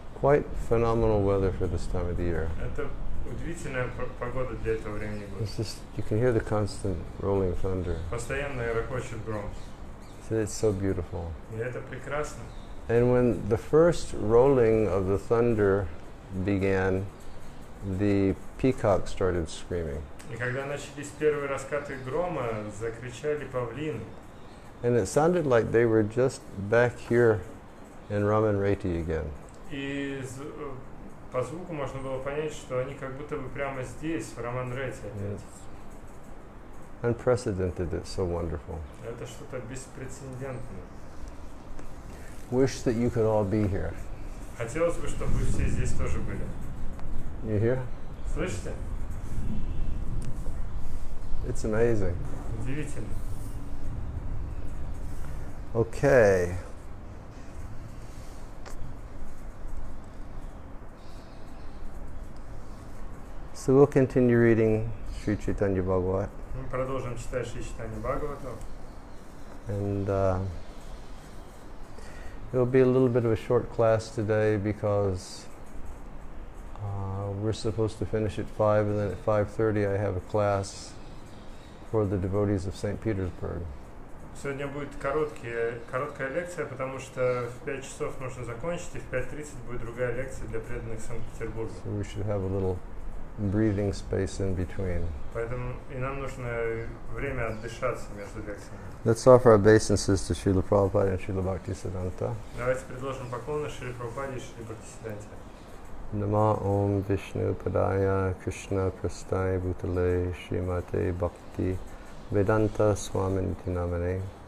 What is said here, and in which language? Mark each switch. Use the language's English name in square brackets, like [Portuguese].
[English] Quite phenomenal weather for this time of the year. [Russian] Это удивительная погода для этого времени года. [English] It's just, you can hear the constant rolling thunder. [Russian] Постоянно ракочет гром. [English] It's so beautiful. [Russian] И это прекрасно. [English] And when the first rolling of the thunder began, the peacock started screaming. [Russian] И когда начались первые раскаты грома, закричали павлины. [English] And it sounded like they were just back here in Raman-Reti again. [Russian] И по звуку можно было понять, что они как будто бы прямо здесь, в Раман-Рети опять. [English] Unprecedented, it's so wonderful. [Russian] Это что-то беспрецедентное. [English] Wish that you could all be here. [Russian] Хотелось бы, чтобы вы все здесь тоже были. [English] You hear? [Russian] Слышите? [English] It's amazing. [Russian] Удивительно. [English] Okay. So we'll continue reading Sri Chaitanya Bhagavata. [Russian] Мы продолжим читать Шри Чайтанья Бхагавату. [English] And it will be a little bit of a short class today because we're supposed to finish at 5 and then at 5:30 I have a class for the devotees of St. Petersburg. [Russian] Сегодня будет короткая лекция, потому что в 5 часов можно закончить, и в 5:30 будет другая лекция для преданных Санкт-Петербурга. [English] So we should have a little breathing space in between. [Russian] Поэтому и нам нужно время отдышаться между лекциями. [English] Let's offer obeisances to Srila Prabhupada and Srila Bhakti-siddhanta. [Russian] Давайте предложим поклоны Шриле Прабхупаде и Шриле Бхакти-сиддханте. [Sanskrit] Нама Ом Вишну Падая Кришна Прастай Бутале Шримате Бхакти Веданта Свамин Тинамане